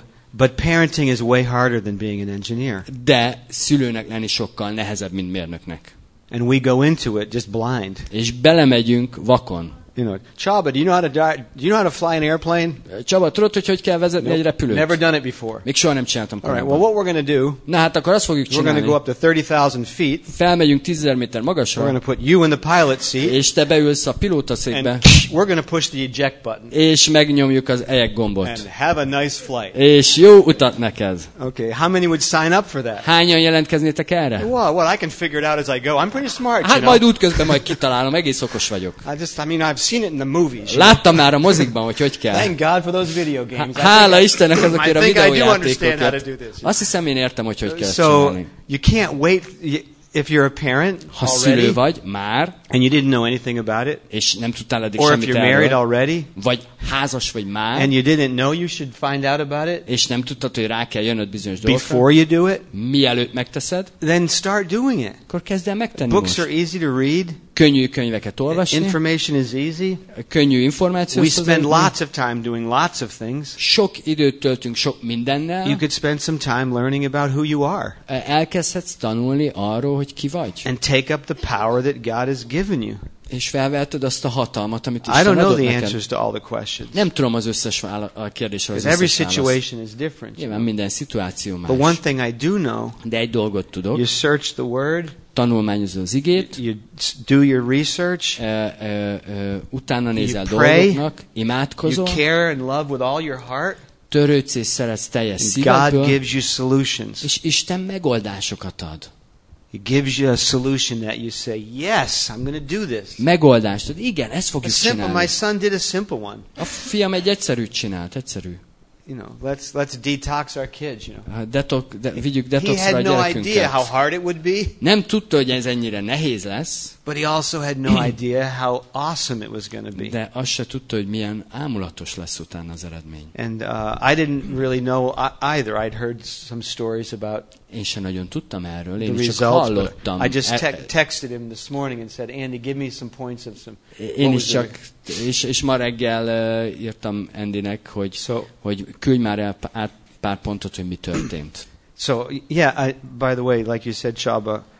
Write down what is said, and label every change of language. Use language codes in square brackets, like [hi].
[en] But parenting is way harder than being an engineer. [hu] De szülőnek lenni sokkal nehezebb, mint mérnöknek. [en] And we go into it just blind. [hu] És belemegyünk vakon. [en] You know, Csaba, do you know how to fly an airplane? [hu] Csaba, tudod, hogy kell vezetni egy repülőt? [en] Never done it before. [hu] Még soha nem csináltam korábban. [en] Alright, well, what we're gonna do? [hu] Na hát akkor azt fogjuk csinálni. [en] We're gonna go up to 30,000 feet. [hu] Felmegyünk 10,000 méter magasra. [en] We're gonna put you in the pilot seat. [hu] És te beülsz a pilóta székbe. [en] And we're gonna push the eject button. [hu] És megnyomjuk az eject gombot. [en] And have a nice flight. [hu] És jó utat neked. [en] Okay, how many would sign up for that? [hu] Hányan jelentkeznétek erre? [en] Well, I can figure it out as I go. I'm pretty smart. [hu] Hát majd útközben majd kitalálom, egész okos vagyok. [en] I've seen it in the movies. [hu] Láttam már a mozikban, hogy kell. [en] Thank God for those video games. [hu] Hála Istennek azokért a videójátékokért. [en] I think I do understand how to do this. [hu] Azt hiszem, én értem, hogy kell [en] so [hu] csinálni. [en] You can't wait if you're a parent [hu] ha szülő vagy már. [en] And you didn't know anything about it. [hu] És nem tudtál eddig [en] or [hu] semmit [en] if you're married [hu] erről, [en] already. [hu] Vagy házas vagy már. [en] And you didn't know you should find out about it. [hu] És nem tudtad, hogy rá kell jönnöd bizonyos dolgokra. [en] Before you do it. [hu] Mielőtt megteszed. [en] Then start doing it. [hu] Akkor kezd el megtenni. [en] Books are easy to read. [hu] Könnyű könyveket olvasni. [en] Information is easy. [hu] Könnyű információ. [en] We spend lots of time doing lots of things. [hu] Sok időt töltünk sok mindennel. [en] You could spend some time learning about who you are. [hu] Elkezdhetsz tanulni arról, hogy ki vagy. [en] And take up the power that God has given you. [hu] És felveheted azt a hatalmat, amit Isten adott neked. [en] I don't know the answers to all the questions. [hu] Nem tudom az összes a kérdésre az összes. [en] Every situation is different. [hu] Nyilván minden szituáció más. [en] But one thing I do know. [hu] De egy dolgot tudok. [en] You search the word. [hu] Tanulmányozod az igét. [en] You do your research. [hu] Utána nézel dolgoknak. Imádkozol. [en] You care and love with all your heart. [hu] Törődsz és szeretsz teljes szívedből. [en] God gives you solutions. [hu] És Isten megoldásokat ad. [en] He gives you a solution that you say, "Yes, I'm going to do this." [hu] Megoldást. Igen, ezt fogjuk csinálni. [en] My son did a simple one. [hu] A fiam egy egyszerűt csinált, egyszerű. [en] You know, let's detox our kids, you know. [hu] Vigyük detoxra a gyerekünket. [en] He had no idea how hard it would be. [hu] Nem tudta, hogy ez ennyire nehéz lesz. [en] But he also had no idea how awesome it was going to be. [hu] De azt se tudta, hogy milyen ámulatos lesz utána az eredmény. [en] And I didn't really know either. I'd heard some stories about. [hu] Én sem nagyon tudtam erről. Én [en] the [hu] csak [en] results, [hu] hallottam. [en] I just texted him this morning and said, Andy, give me some points of some. [hu] Én is csak és ma reggel írtam Andynek, hogy so, hogy küldj már el pár pontot, hogy mi történt. [en] So yeah, by the way, like you said, Csaba.